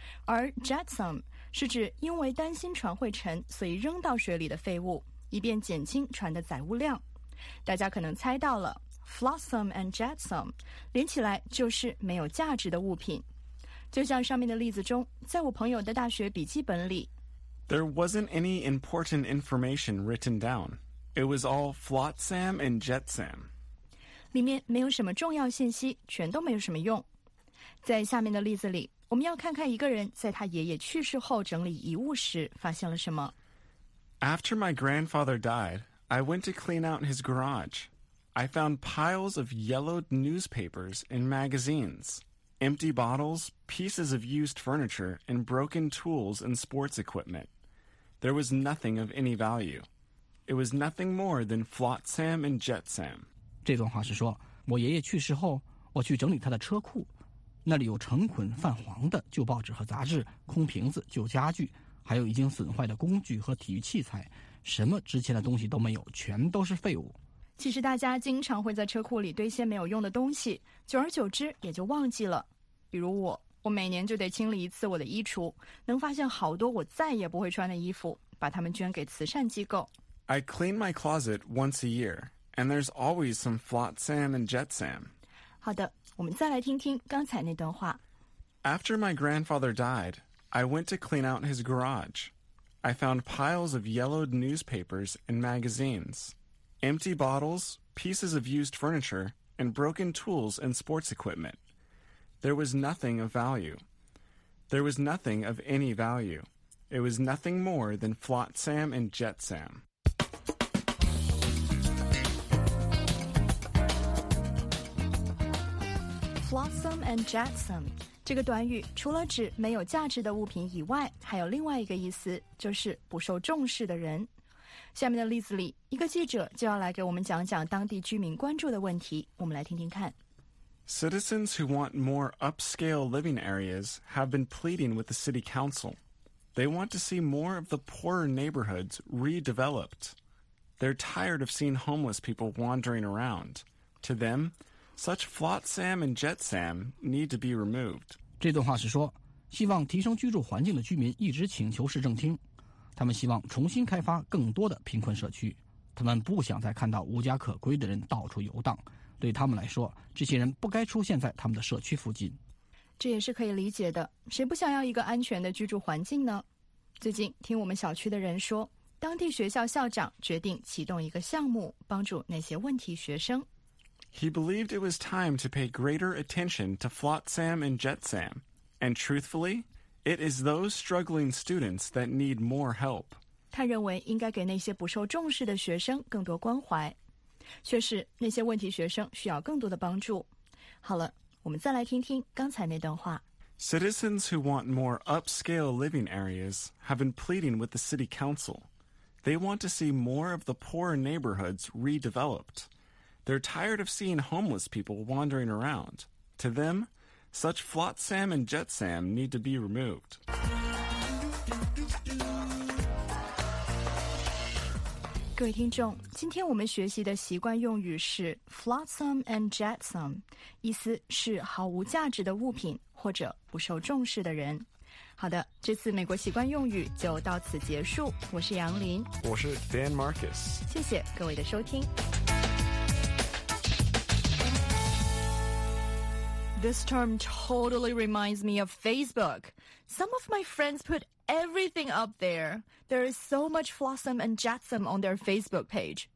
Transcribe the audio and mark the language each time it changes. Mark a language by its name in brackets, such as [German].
[Chinese] 而 Jetsam 是指因为担心船会沉所以扔到水里的废物，以便减轻船的载物量。大家可能猜到了。Flotsam and jetsam 连起来就是没有价值的物品，就像上面的例子中，在我朋友的大学笔记本里 [English] There wasn't any important information written down. It was all flotsam and jetsam. [Chinese] 里面没有什么重要信息，全都没有什么用。在下面的例子里，我们要看看一个人在他爷爷去世后整理遗物时发现了什么。 [English] After my grandfather died, I went to clean out his garageI found piles of yellowed newspapers and magazines, empty bottles, pieces of used furniture, and broken tools and sports equipment. There was nothing of any value. It was nothing more than flotsam and jetsam. [Chinese] 这段话是说，我爷爷去世后，我去整理他的车库，那里有成捆泛黄的旧报纸和杂志，空瓶子、旧家具，还有已经损坏的工具和体育器材，什么值钱的东西都没有，全都是废物。其实大家经常会在车库里堆些没有用的东西，久而久之也就忘记了。比如我，我每年就得清理一次我的衣橱，能发现好多我再也不会穿的衣服，把它们捐给慈善机构。 [English] I clean my closet once a year, and there's always some flotsam and jetsam. [Chinese] 好的，我们再来听听刚才那段话。 [English] After my grandfather died, I went to clean out his garage. I found piles of yellowed newspapers and magazines, empty bottles, pieces of used furniture, and broken tools and sports equipment. There was nothing of value. There was nothing of any value. It was nothing more than flotsam and jetsam. [Chinese] Flotsam and jetsam 这个短语除了指没有价值的物品以外，还有另外一个意思，就是不受重视的人。下面的例子里，一个记者就要来给我们讲讲当地居民关注的问题，我们来听听看。 [English] Citizens who want more upscale living areas have been pleading with the city council. They want to see more of the poorer neighborhoods redeveloped. They're tired of seeing homeless people wandering around. To them,Such flotsam and jetsam need to be removed. [Chinese] 这段话是说，希望提升居住环境的居民一直请求市政厅，他们希望重新开发更多的贫困社区，他们不想再看到无家可归的人到处游荡。对他们来说，这些人不该出现在他们的社区附近。这也是可以理解的，谁不想要一个安全的居住环境呢？最近听我们小区的人说，当地学校校长决定启动一个项目，帮助那些问题学生。 [English] He believed it was time to pay greater attention to flotsam and jetsam. And truthfully, it is those struggling students that need more help. [Chinese] 他认为应该给那些不受重视的学生更多关怀。确实，那些问题学生需要更多的帮助。好了，我们再来听听刚才那段话。 [English] Citizens who want more upscale living areas have been pleading with the city council. They want to see more of the poorer neighborhoods redeveloped. They're tired of seeing homeless people wandering around. To them, such flotsam and jetsam need to be removed. [Chinese] 各位听众，今天我们学习的习惯用语是 flotsam and jetsam, 意思是毫无价值的物品或者不受重视的人。好的，这次美国习惯用语就到此结束。我是杨林。我是 Dan Marcus。谢谢各位的收听。 [English] This term totally reminds me of Facebook. Some of my friends put everything up there. There is so much flotsam and jetsam on their Facebook page.